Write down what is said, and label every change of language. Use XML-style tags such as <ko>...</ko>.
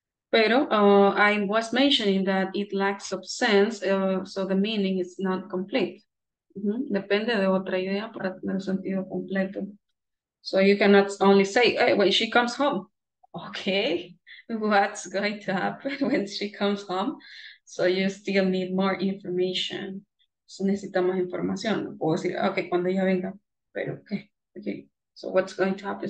<en>Pero I was mentioning that it lacks of sense, so the meaning is not complete. Mm-hmm.</en> <es>Depende de otra idea para tener sentido completo.</es> <en>So you cannot only say, hey, when she comes home. Okay, what's going to happen when she comes home? So you still need more information. So</en> <es>necesita más información. No puedo decir, okay, cuando ella venga. Pero okay.</es> <en>So what's going to happen?</en>